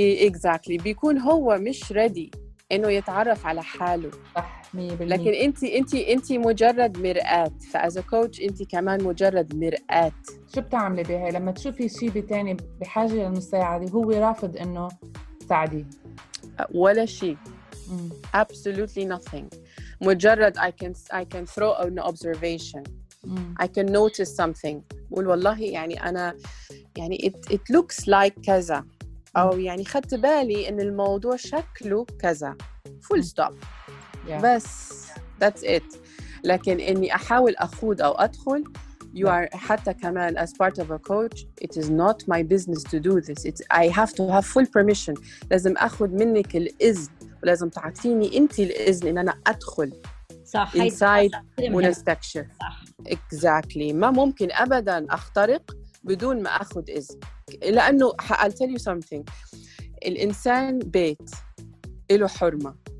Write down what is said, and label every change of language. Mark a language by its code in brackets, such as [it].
[ar] exactly بيكون هو مش ready انه يتعرف على حاله. صح. لكن انت مجرد مرآة، فأز كوتش انت كمان مجرد مرآة. شو بتعملي بها لما تشوفي شيء بتاني بحاجة للمساعدة هو رافض انه تساعدي؟ ولا شيء. [en] Absolutely nothing. مجرد I can throw an observation. I can notice something. [ar] قول والله يعني انا يعني [en] it looks like [ar] كذا، او يعني خدت بالي ان الموضوع شكله كذا، [en] full stop. Yeah. بس that's it. [ar] لكن إني أحاول أخوض أو أدخل [en] you yeah. are حتى كمان as part of a coach it is not my business to do this. I have to have full permission. [ar] لازم أخذ منك الإذن ولازم تعطيني أنت الإذن إن أنا أدخل. صح. [en] inside [ar] ونستكشف. [en] exactly. [ar] ما ممكن أبدا أخترق بدون ما أخذ إذن، لأنه [en] I'll tell you something. [ar] الإنسان بيت إله حرمة.